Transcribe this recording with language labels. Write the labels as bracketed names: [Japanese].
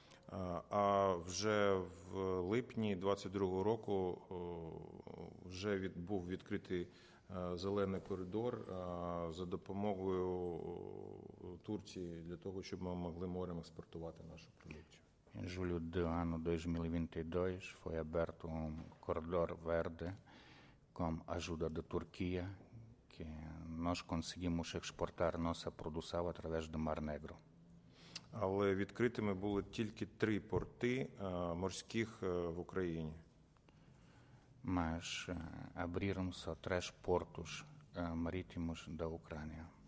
[Ukrainian] А вже в липні 22-го року вже був відкритий зелений коридор за допомогою Турції для того, щоб ми могли морем експортувати нашу продукцію. [Portuguese] Em julho do ano 2022 foi aberto corredor verde com ajuda da Turquia que nós conseguimos exportar nossa produção através do Mar Negro. [Ukrainian] Але відкритими були тільки 3 порти морських в Україні. [Portuguese] Mas abriram só 3 portos marítimos da Ucrânia.